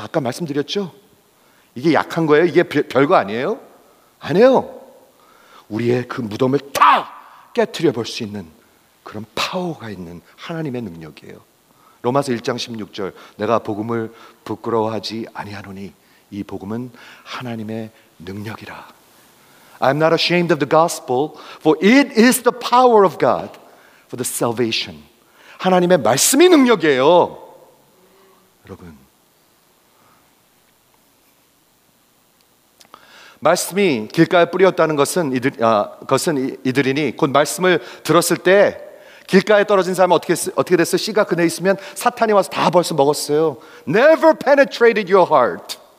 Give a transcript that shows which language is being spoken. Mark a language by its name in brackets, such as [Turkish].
[Korean] 아까 말씀드렸죠? 이게 약한 거예요? 이게 별거 아니에요? 아니에요. 우리의 그 무덤을 다 깨트려 볼 수 있는 그런 파워가 있는 하나님의 능력이에요. 로마서 1장 16절, 내가 복음을 부끄러워하지 아니하노니 이 복음은 하나님의 능력이라. [English] I'm not ashamed of the gospel, for it is the power of God for the salvation. [Korean] 하나님의 말씀이 능력이에요. 여러분, 말씀이 길가에 뿌리였다는 것은 이들이니 곧 말씀을 들었을 때 길가에 떨어진 사람은 어떻게 됐어요? 씨가 그네 있으면 사탄이 와서 다 벌써 먹었어요. [English] Never penetrated your heart.